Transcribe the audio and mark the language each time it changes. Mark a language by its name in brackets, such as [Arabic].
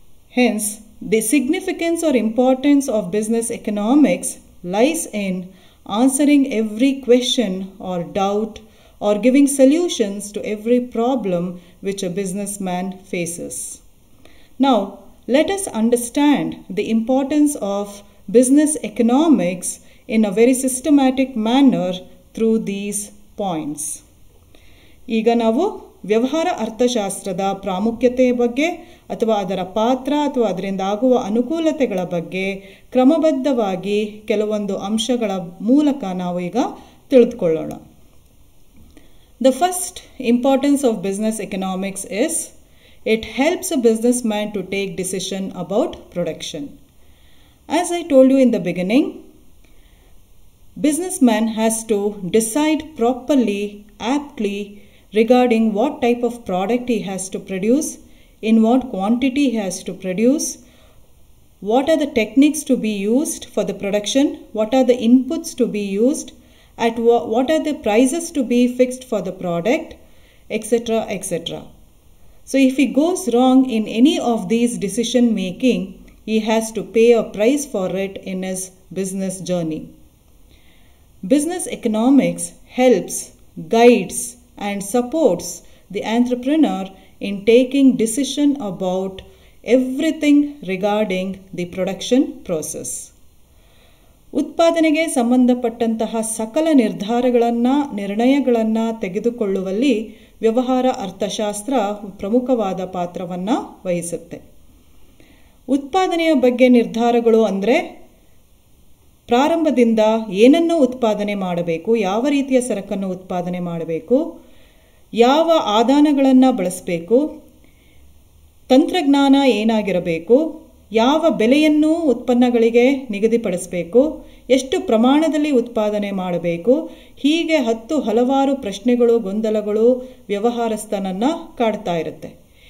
[English] Hence, the significance or importance of business economics lies in answering every question or doubt or giving solutions to every problem which a businessman faces. Now, let us understand the importance of business economics in a very systematic manner through these points. [Kannada] ಈಗ ನಾವು ವ್ಯವಹಾರ ಅರ್ಥಶಾಸ್ತ್ರದ ಪ್ರಾಮುಖ್ಯತೆ ಬಗ್ಗೆ ಅಥವಾ ಅದರ ಪಾತ್ರ ಅಥವಾ ಅದರಿಂದ ಆಗುವ ಅನುಕೂಲತೆಗಳ ಬಗ್ಗೆ ಕ್ರಮಬದ್ಧವಾಗಿ ಕೆಲವೊಂದು ಅಂಶಗಳ ಮೂಲಕ ನಾವು ಈಗ ತಿಳಿದುಕೊಳ್ಳೋಣ. [English] The first importance of business economics is it helps a businessman to take decision about production. As I told you in the beginning, businessman has to decide properly, aptly regarding what type of product he has to produce, in what quantity he has to produce, what are the techniques to be used for the production, what are the inputs to be used, at what are the prices to be fixed for the product, etc., etc. So if he goes wrong in any of these decision making, he has to pay a price for it in his business journey. Business economics helps, guides, and supports the entrepreneur in taking decision about everything regarding the production process. [Kannada] ಉತ್ಪಾದನೆಗೆ ಸಂಬಂಧಪಟ್ಟಂತಹ ಸಕಲ ನಿರ್ಧಾರಗಳನ್ನು, ನಿರ್ಣಯಗಳನ್ನು ತೆಗೆದುಕೊಳ್ಳುವಲ್ಲಿ ವ್ಯವಹಾರ ಅರ್ಥಶಾಸ್ತ್ರ ಪ್ರಮುಖವಾದ ಪಾತ್ರವನ್ನು ವಹಿಸುತ್ತೆ. ಉತ್ಪಾದನೆಯ ಬಗ್ಗೆ ನಿರ್ಧಾರಗಳು ಅಂದರೆ ಪ್ರಾರಂಭದಿಂದ ಏನನ್ನು ಉತ್ಪಾದನೆ ಮಾಡಬೇಕು, ಯಾವ ರೀತಿಯ ಸರಕನ್ನು ಉತ್ಪಾದನೆ ಮಾಡಬೇಕು, ಯಾವ ಆದಾನಗಳನ್ನು ಬಳಸಬೇಕು, ತಂತ್ರಜ್ಞಾನ ಏನಾಗಿರಬೇಕು, ಯಾವ ಬೆಲೆಯನ್ನು ಉತ್ಪನ್ನಗಳಿಗೆ ನಿಗದಿಪಡಿಸಬೇಕು, ಎಷ್ಟು ಪ್ರಮಾಣದಲ್ಲಿ ಉತ್ಪಾದನೆ ಮಾಡಬೇಕು, ಹೀಗೆ ಹತ್ತು ಹಲವಾರು ಪ್ರಶ್ನೆಗಳು, ಗೊಂದಲಗಳು ವ್ಯವಹಾರಸ್ಥನನ್ನು ಕಾಡ್ತಾ ಇರುತ್ತೆ.